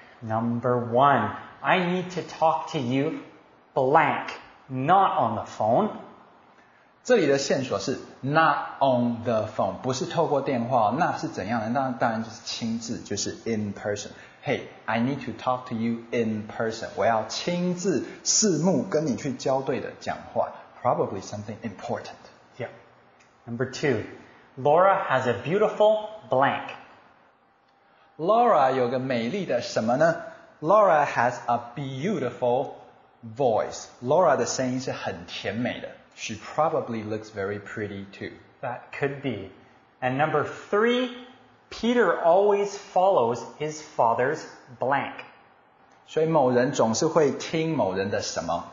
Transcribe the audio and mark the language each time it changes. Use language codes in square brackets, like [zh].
[en] Number one, I need to talk to you blank, not on the phone. [zh] 这里的线索是 [en] not on the phone, [zh] 不是透过电话，那是怎样的？当然就是亲自，就是 in person. [en] Hey, I need to talk to you in person. [zh] 我要亲自四目跟你去交对的讲话。 [en] Probably something important. Yep. Number two, Laura has a beautiful blank. Laura [zh] 有个美丽的什么呢？ [en] Laura has a beautiful voice. [zh] Laura 的声音是很甜美的。 [en] She probably looks very pretty too. That could be. And number three,Peter always follows his father's blank. [zh] 所以某人总是会听某人的什么？